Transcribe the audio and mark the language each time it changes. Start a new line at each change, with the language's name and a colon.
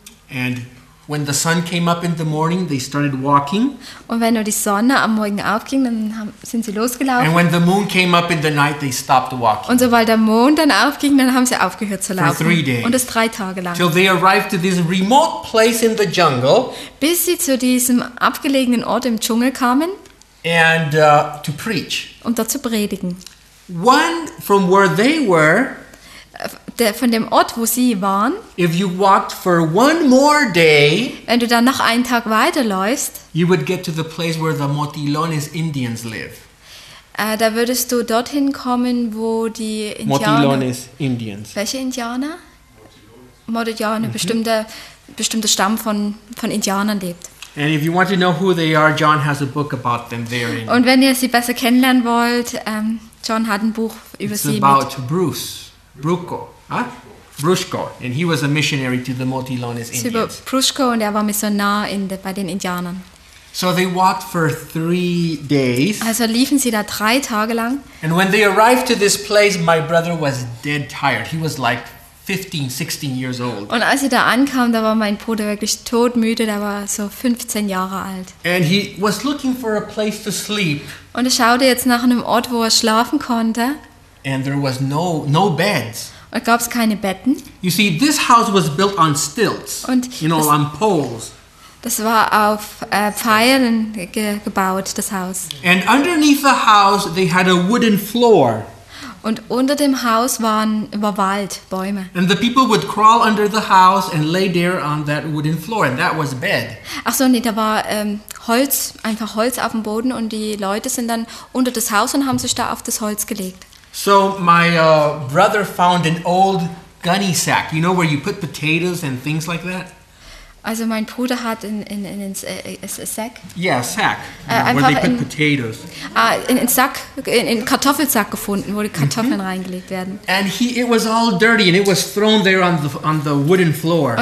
English: And when the sun came up in the morning, they started walking.
German: Und wenn nur die Sonne am Morgen aufging, dann sind sie losgelaufen.
English: And when the moon came up in the night, they stopped walking.
German: Und sobald der Mond dann aufging, dann haben sie aufgehört zu laufen.
English: For 3 days.
German: Und das 3 Tage lang.
English: Till they arrived to this remote place in the jungle.
German: Bis sie zu diesem abgelegenen Ort im Dschungel kamen.
English: And to preach.
German: Um dort zu predigen.
English: One from where they were.
German: Von dem Ort, wo sie waren,
English: if you walked for one more day,
German: wenn du dann noch einen Tag weiterläufst,
English: you would get to the place where the Motilones Indians live.
German: Da würdest du dorthin kommen, wo die Indianer.
English: Motilones Indians.
German: Welche Indianer? Motilones, mhm. bestimmter Stamm von Indianern lebt.
English: And if you want to know who they are, John has a book about them there.
German: Und wenn ihr sie besser kennenlernen wollt, John hat ein Buch über sie.
English: It's about Brusco, and he was a missionary to the Motilones Indians.
German: Über Brusco, und war Missionar bei den Indianern.
English: So they walked for 3 days.
German: Also liefen sie da 3 Tage lang.
English: And when they arrived to this place, my brother was dead tired. He was like 15, 16 years old.
German: Und als sie da ankamen, da war mein Bruder wirklich todmüde. Der war so 15 Jahre alt.
English: And he was looking for a place to sleep.
German: Und schaute jetzt nach einem Ort, wo schlafen konnte.
English: And there was no beds.
German: Und gab's keine Betten?
English: You see, this house was built on stilts.
German: Und
English: on poles.
German: Das war auf Pfeilen gebaut, das Haus.
English: And underneath the house, they had a wooden floor.
German: Und unter dem Haus war Wald, Bäume.
English: And the people would crawl under the house and lay there on that wooden floor, and that was bed.
German: Ach so, nee, da war Holz, einfach Holz auf dem Boden, und die Leute sind dann unter das Haus und haben sich da auf das Holz gelegt.
English: So my brother found an old gunny sack, you know, where you put potatoes and things like that.
German: Also mein Bruder hat in Sack.
English: Yeah, sack. Where they put potatoes.
German: In Kartoffelsack gefunden, wo die Kartoffeln reingelegt werden.
English: And it was all dirty and it was thrown there on the wooden floor.